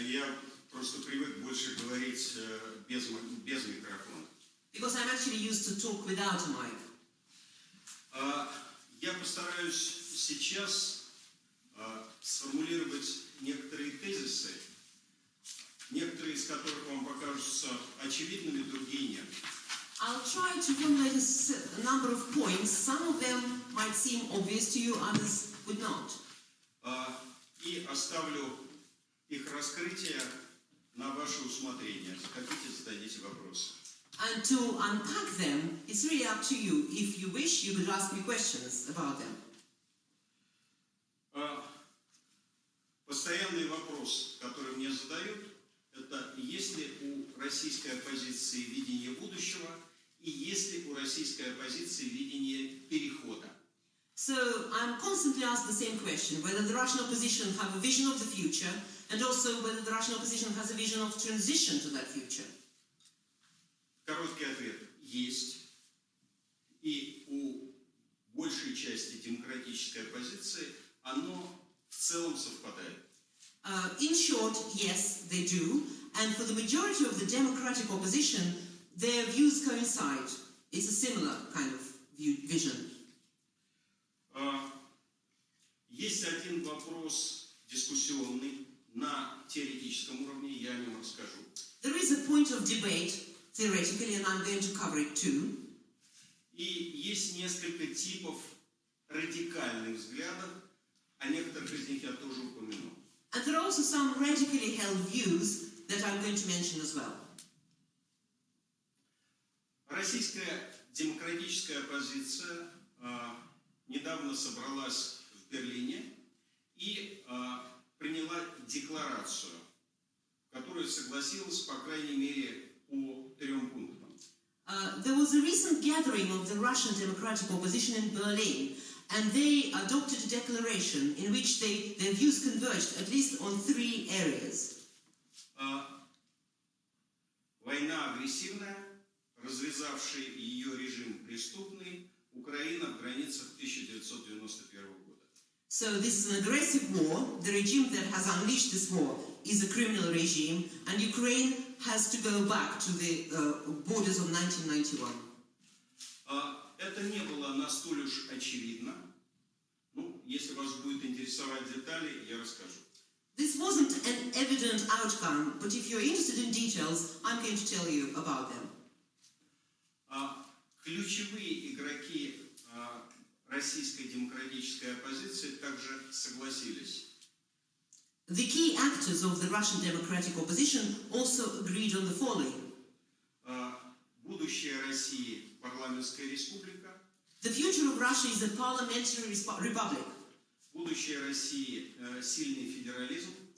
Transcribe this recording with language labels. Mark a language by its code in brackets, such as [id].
[ru] Я просто привык больше говорить без микрофона. [en] Because I'm actually used to talk without a mic. [ru] Я постараюсь сейчас сформулировать некоторые тезисы, некоторые из которых вам покажутся очевидными, другие нет. [en] I'll try to formulate a number of points. Some of them might seem obvious to you, others would not. [ru] И оставлю их раскрытие на ваше усмотрение. Хотите, зададите вопросы. [en] And to unpack them, it's really up to you. If you wish, you could ask me questions about them. [ru] Постоянный вопрос, который мне задают, это есть ли у российской оппозиции видение будущего и есть ли у российской оппозиции видение перехода? [en] So I'm constantly asked the same question, whether the Russian opposition have a vision of the future, and also whether the Russian opposition has a vision of transition to that future. [ru] Короткий ответ – есть. И у большей части демократической оппозиции оно в целом совпадает. [en] In short, yes, they do. And for the majority of the democratic opposition, their views coincide. It's a similar kind of view, vision. [ru] Есть один вопрос дискуссионный на теоретическом уровне, я о нем расскажу. [en] There is a point of debate, theoretically, and I'm going to cover it too. [ru] И есть несколько типов радикальных взглядов, о некоторых из них я тоже упомянул. [en] And there are also some radically held views that I'm going to mention as well. [ru] Российская демократическая оппозиция недавно собралась в Берлине и приняла декларацию, в которой согласилась, по крайней мере, по трем пунктам. [en] There was a recent gathering of the Russian Democratic Opposition in Berlin, and they adopted a declaration in which their views converged at least on three areas. [ru] Война агрессивная, развязавший ее режим преступный, Украина в границах 1991 года. [en] So this is an aggressive war. The regime that has unleashed this war is a criminal regime, and Ukraine has to go back to the borders of 1991. [ru] Это не было настолько уж очевидно. Ну, если вас будет интересовать детали, я расскажу. [en] This wasn't an evident outcome, but if you're interested in details, I'm going to tell you about them. [ru] Ключевые игроки российской демократической оппозиции также согласились. [en] The key actors of the Russian Democratic Opposition also agreed on the following. [ru] Будущее России – парламентская республика. [en] The future of Russia is a parliamentary republic. [ru] Будущее России – сильный федерализм.